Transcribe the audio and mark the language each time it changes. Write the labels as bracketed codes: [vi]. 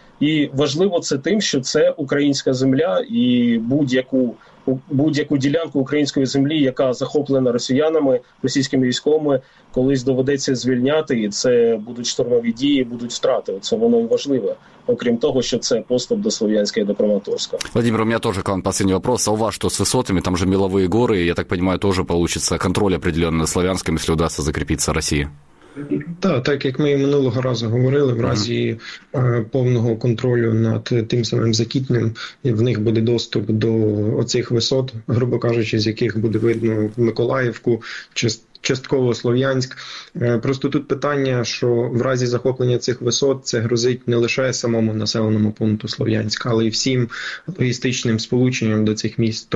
[uk] І важливо це тим, що це українська земля, і будь-яку ділянку української землі, яка захоплена росіянами, російськими військовими, колись доведеться звільняти, і це будуть штурмові дії, будуть втрати. Це воно і важливе. Окрім того, що це поступ до Слов'янська і до Краматорська. [ru] Владимир, у меня тоже к вам последний вопрос. А у вас что с высотами? Там же меловые горы, я так понимаю, тоже получится контроль определенный над Слов'янськом, если удастся закрепиться Россией. [uk] Так, так як ми і минулого разу говорили, в разі повного контролю над тим самим Закітним, в них буде доступ до оцих висот, грубо кажучи, з яких буде видно Миколаївку, частково Слов'янськ. Просто тут питання, що в разі захоплення цих висот це грозить не лише самому населеному пункту Слов'янська, але й всім логістичним сполученням до цих міст.